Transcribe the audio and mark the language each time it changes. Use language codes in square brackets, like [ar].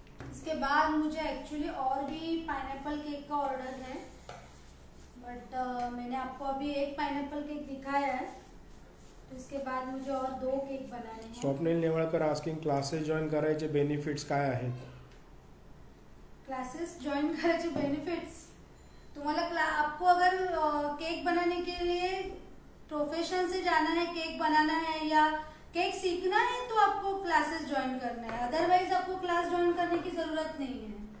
[hi] इसके बाद मुझे एक्चुअली और भी पाइनएप्पल केक का ऑर्डर है बट मैंने आपको अभी एक पाइनएप्पल केक दिखाया है तो इसके बाद मुझे और 2 केक बनाने हैं. [mr] Swapnil Newalkar asking classes join करायचे बेनिफिट्स काय आहेत? क्लासेस जॉइन करायचे बेनिफिट्स तुम्हाला [hi] आपको अगर केक बनाने के लिए प्रोफेशन से जाना है केक बनाना है या केक सीखना है तो आपको क्लासेस ज्वाइन करना है अदरवाइज आपको क्लास ज्वाइन करने की जरूरत नहीं है.